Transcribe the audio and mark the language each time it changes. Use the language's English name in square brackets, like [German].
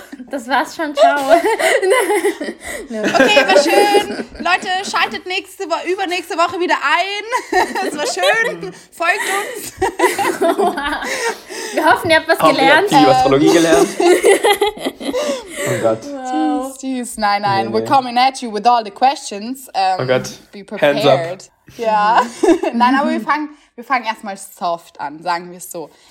[German] Das war's schon, ciao. Okay, war schön. Leute, schaltet nächste übernächste Woche wieder ein. Es war schön, folgt uns. Wir hoffen, ihr habt was gelernt. Ich habe Astrologie gelernt. Oh Gott. Wow. Jeez, nein, nein. Nee. [English] We're coming at you with all the questions. [German] Oh Gott. [English] Be prepared. Hands up. [German] Ja. Nein, aber wir fangen erstmal soft an, sagen wir es so.